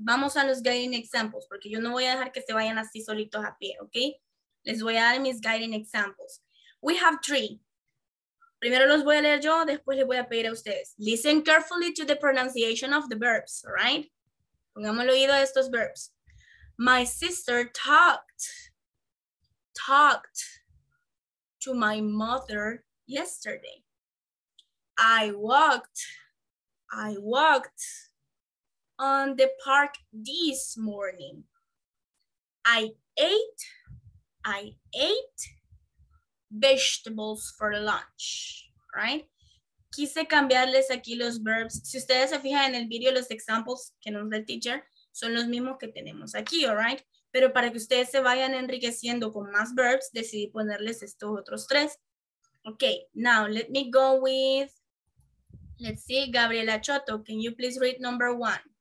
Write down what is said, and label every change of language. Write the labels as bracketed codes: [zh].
[es] Vamos a los [en] guiding examples, [es] porque yo no voy a dejar que se vayan así solitos a pie, okay? Les voy a dar mis [en] guiding examples. We have three. [es] Primero los voy a leer yo, después les voy a pedir a ustedes. [en] Listen carefully to the pronunciation of the verbs, all right? [es] Pongamos el oído a estos [en] verbs. My sister talked to my mother yesterday. I walked on the park this morning. I ate vegetables for lunch, right? [es] Quise cambiarles aquí los verbs. Si ustedes se fijan en el video, los examples que nos da el teacher son los mismos que tenemos aquí, [en] all right? [es] Pero para que ustedes se vayan enriqueciendo con más verbs, decidí ponerles estos otros tres. [en] Okay, now let me go with, let's see, Gabriela Choto, can you please read number one?